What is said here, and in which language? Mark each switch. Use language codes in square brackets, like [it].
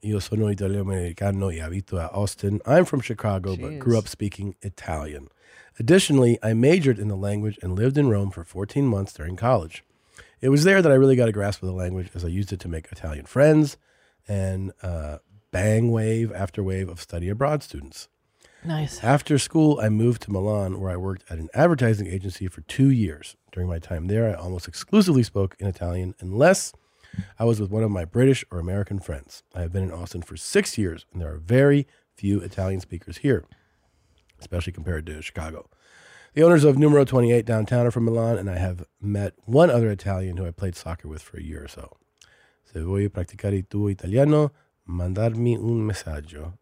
[it] Io sono italiano-americano e abito a Austin. [en] I'm from Chicago, jeez, but grew up speaking Italian. Additionally, I majored in the language and lived in Rome for 14 months during college. It was there that I really got a grasp of the language as I used it to make Italian friends and bang wave after wave of study abroad students. Nice. After school, I moved to Milan where I worked at an advertising agency for 2 years. During my time there, I almost exclusively spoke in Italian unless I was with one of my British or American friends. I have been in Austin for 6 years and there are very few Italian speakers here, especially compared to Chicago. The owners of Numero 28 downtown are from Milan, and I have met one other Italian who I played soccer with for a year or so. [it] Se vuoi practicare tuo italiano, mandarmi un messaggio.